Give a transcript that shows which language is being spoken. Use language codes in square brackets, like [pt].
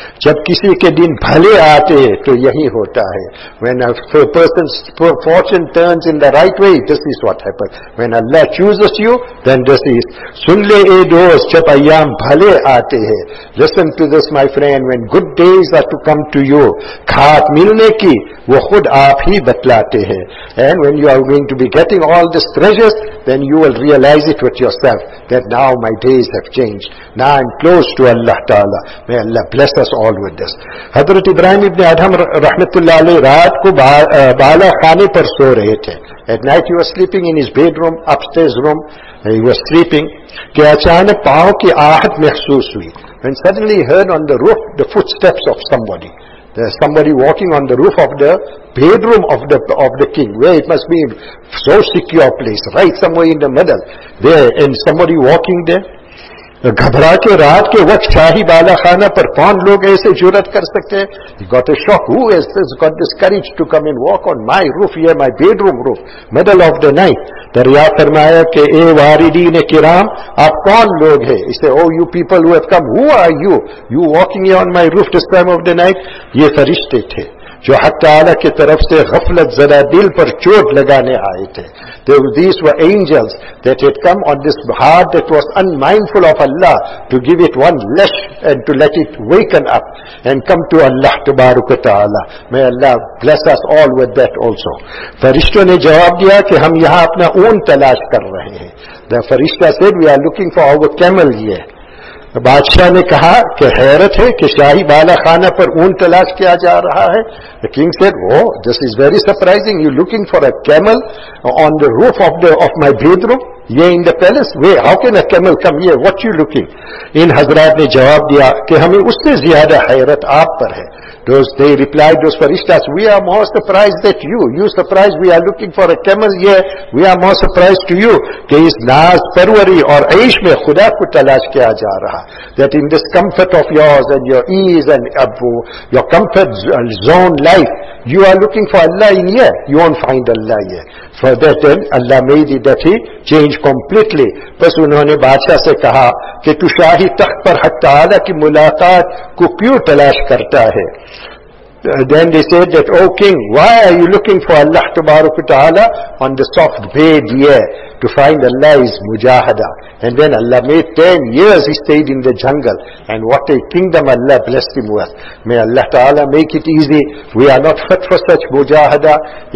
[ur] جب کسی کے دن بھلے آتے ہیں تو یہی ہوتا ہے. [en] When a person's fortune turns in the right way, this is what happens. When Allah chooses you, then this is. [ur] سن لے اے دوست جب ایام بھلے آتے ہیں. [en] Listen to this my friend, when good days are to come to you, [ur] کھات ملنے کی وہ خود آپ ہی بتلاتے ہیں. [en] And when you are going to be getting all these treasures, then you will realize it with yourself that now my days have changed. Now I am close to Allah Ta'ala. May Allah bless us all with this. [ur] حضرت ابراہیم ابن ادہم رحمت اللہ علیہ رات کو بالا خانے پر سو رہے تھے. [en] At night he was sleeping in his bedroom, upstairs room. He was sleeping. [ur] کہ اچانک پاؤں کی آہٹ محسوس ہوئی. [en] When suddenly he heard on the roof the footsteps of somebody. There's somebody walking on the roof of the bedroom of the king, where it must be so secure place, right somewhere in the middle. There, and somebody walking there. [ur] گھبرا کے رات کے وقت شاہی بالا خانہ پر کون لوگ ایسے جرت کر سکتے ہیں. [en] He got a shock. Who has this, got this courage to come and walk on my roof here, my bedroom roof, middle of the night. [ur] دریافت فرمایا کہ اے واردین کرام آپ کون لوگ ہیں. [en] He said, oh you people who have come, who are you? You walking here on my roof this time of the night? [ur] یہ فرشتے تھے جو حق تعالیٰ کی طرف سے غفلت زدہ دل پر چوٹ لگانے آئے تھے. [en] These were angels that had come on this heart that was unmindful of Allah to give it one lash and to let it waken up and come to Allah تبارک و تعالی. May Allah bless us all with that also. [ur] فرشتوں نے جواب دیا کہ ہم یہاں اپنا اون تلاش کر رہے ہیں. [en] The فرشتہ said, we are looking for our camel here. [ur] بادشاہ نے کہا کہ حیرت ہے کہ شاہی بالا خانہ پر اون تلاش کیا جا رہا ہے. [en] The king said, oh, this is very surprising. You're looking for a camel on the roof of my bedroom? یہ in the palace? Wait, how can a camel come here? What you looking? [ur] ان حضرات نے جواب دیا کہ ہمیں اس سے زیادہ حیرت آپ پر ہے. [en] They replied, those farishtas, we are more surprised that you surprised, we are looking for a camel here, we are more surprised to you, [ur] کہ اس ناز پروری اور عیش میں خدا کو تلاش کیا جا رہا. [en] That in this comfort of yours and your ease and your comfort zone life, you are looking for Allah in here, you won't find Allah here. For that then, Allah made it that he changed completely. [ur] پس انہوں نے بادشاہ سے کہا کہ تو شاہی تخت پر حق تعالیٰ کی ملاقات کو کیوں تلاش کرتا ہے. [en] Then they said that, oh king, why are you looking for Allah tabarak wa ta'ala on the soft bed here to find Allah is mujahada. And then Allah made 10 years he stayed in the jungle, and what a kingdom Allah blessed him with. May Allah ta'ala make it easy. We are not fit for such mujahada.